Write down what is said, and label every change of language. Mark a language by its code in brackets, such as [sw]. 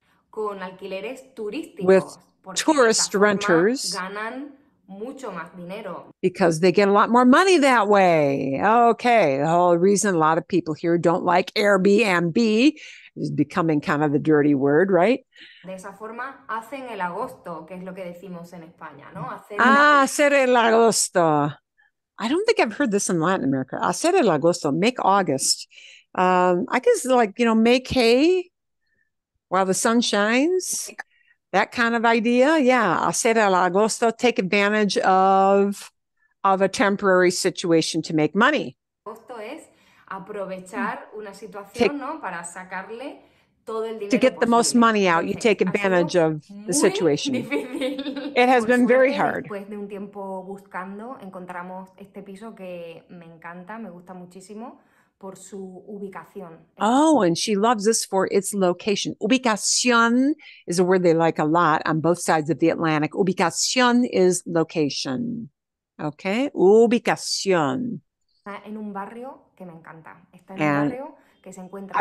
[es] Con alquileres turísticos. [en] With tourist renters, [es] ganan mucho más dinero. [en] Because they get a lot more money that way. Okay, the whole reason a lot of people here don't like Airbnb is becoming kind of the dirty word, right? [es] De esa forma, hacen el agosto, que es lo que decimos en España, ¿no? Hacer el agosto. [en] I don't think I've heard this in Latin America. [es] Hacer el agosto, [en] make August. I guess, like, you know, make hay while the sun shines. That kind of idea, yeah. [es] Hacer el agosto, [en] take advantage of a temporary situation to make money. [es] Agosto es aprovechar una situación, ¿no? Para sacarle todo el dinero. [en] To get the most money out, you take advantage of the situation. It has been very hard. [es] Después de un tiempo buscando, encontramos este piso que me encanta, me gusta muchísimo. Por su ubicación. [en] Oh, and she loves this for its location. Ubicación is a word they like a lot on both sides of the Atlantic. Ubicación is location. Okay, ubicación. [es] Está en un barrio que me encanta. Está en un barrio que se encuentra